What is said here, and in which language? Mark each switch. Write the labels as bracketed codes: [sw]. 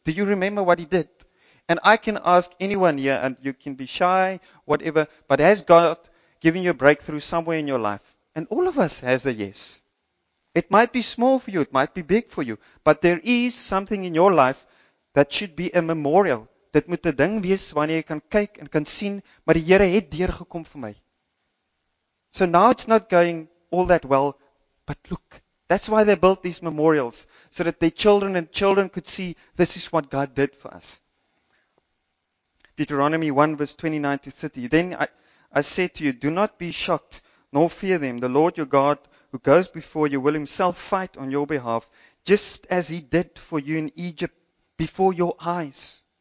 [en] Do you remember what He did? And I can ask anyone here, and you can be shy, whatever, but has God given you a breakthrough somewhere in your life? And all of us has a yes. It might be small for you, it might be big for you, but there is something in your life that should be a memorial. [af] Dit moet 'n ding wees wanneer jy kan kyk en kan sien, maar die Here het deurgekom vir my. [en] So now it's not going all that well, but look, That's why they built these memorials, so that their children and children could see this is what God did for us. Deuteronomy 1 verse 29 to 30. Then I said to you, do not be shocked, nor fear them. The Lord your God, who goes before you, will himself fight on your behalf, just as he did for you in Egypt before your eyes.